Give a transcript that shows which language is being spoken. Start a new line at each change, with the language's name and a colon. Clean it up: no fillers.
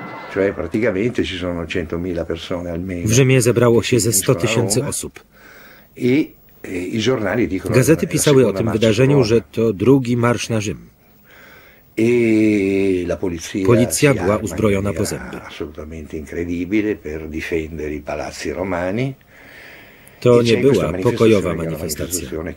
Italian: Cioè praticamente ci sono 100.000 persone almeno.
Polish: W Rzymie zebrało się ze 100 tysięcy osób.
Italian: I giornali dicono.
Polish: Gazety pisały o tym wydarzeniu, że to drugi marsz na Rzym.
Italian: E la polizia.
Polish: Polizia była uzbrojona po zęby.
Italian: Assolutamente incredibile per difendere i palazzi romani.
Polish: To nie była pokojowa manifestacja.